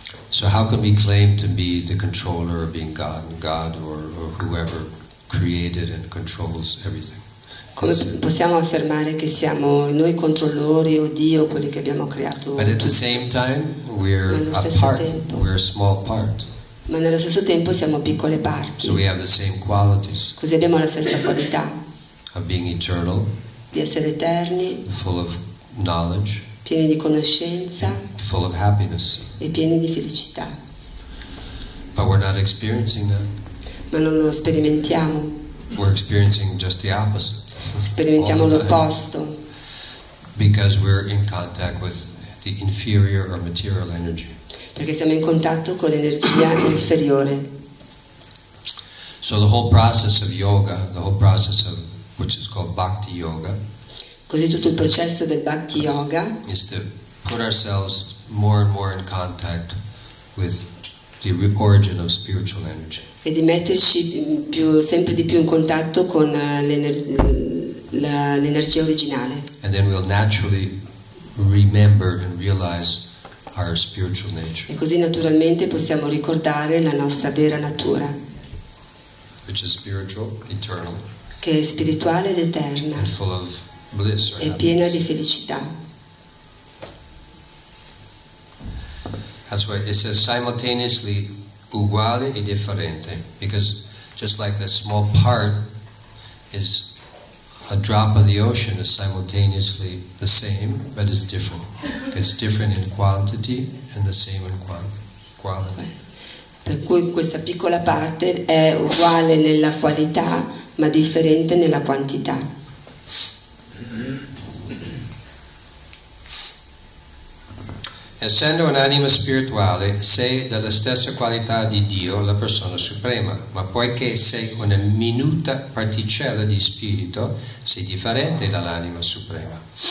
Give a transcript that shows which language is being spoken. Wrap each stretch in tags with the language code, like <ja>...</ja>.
<en>So how can we claim to be the controller of being God or whoever created and controls everything?</en> <it>Come possiamo affermare che siamo noi controllori o Dio, quelli che abbiamo creato?</it> <en>But at the same time, we're a part. We're a small part.</en> <it>Ma nello stesso tempo siamo piccole parti.</it> <en>So we have the same qualities.</en> <it>Così abbiamo la stessa qualità.</it> <en>Of being eternal.</en> <it>Di essere eterni.</it> <en>Full of knowledge.</en> <it>Pieni di conoscenza.</it> <en>Full of happiness.</en> <it>E pieni di felicità.</it> <en>But we're not experiencing that.</en> <it>Ma non lo sperimentiamo.</it> <en>We're experiencing just the opposite.</en> <it>Sperimentiamo l'opposto.</it> <en>Because we're in contact with the inferior or material energy.</en> <it>Perché siamo in contatto con l'energia inferiore.</it> <en>So the whole process of yoga, the whole process of which is called bhakti yoga.</en> <it>Così tutto il processo del bhakti yoga</it> <en>is to put ourselves more and more in contact with the origin of spiritual energy.</en> <it>E di metterci sempre di più in contatto con l'energia originale.</it> <en>And then we'll naturally remember and realize our spiritual nature.</en> <it>E così naturalmente possiamo ricordare la nostra vera natura,</it> <en>which is spiritual, eternal,</en> <it>che è spirituale ed eterna,</it> <en>and full of bliss,</en> <it>e piena di felicità.</it> <en>That's why it says simultaneously</en> <it>uguale e differente,</it> <en>because just like the small part is a drop of the ocean is simultaneously the same, but it's different. It's different in quantity and the same in quality.</en> <it>Per cui questa piccola parte è uguale nella qualità, ma differente nella quantità. Essendo un'anima spirituale, sei della stessa qualità di Dio, la persona suprema, ma poiché sei una minuta particella di spirito, sei differente dall'anima suprema.</it>